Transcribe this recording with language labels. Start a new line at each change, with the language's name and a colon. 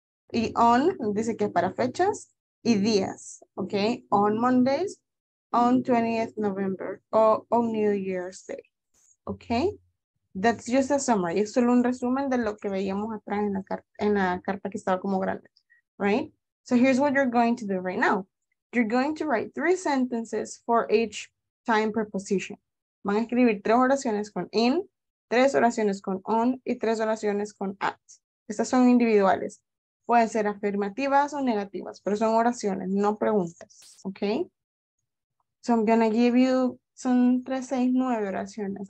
Spanish: Y on, dice que para fechas y días, okay.
English: On Mondays, on 20th November, or on New Year's Day, okay. That's just a summary.
Spanish: Es solo un resumen de lo que veíamos atrás en la carta que estaba como grande, right?
English: So here's what you're going to do right now. You're going to write three sentences for each time preposition.
Spanish: Van a escribir tres oraciones con in, tres oraciones con on, y tres oraciones con at. Estas son individuales. Pueden ser afirmativas o negativas, pero son oraciones, no preguntas, okay?
English: So I'm gonna give you,
Spanish: son 3, 6, 9 oraciones.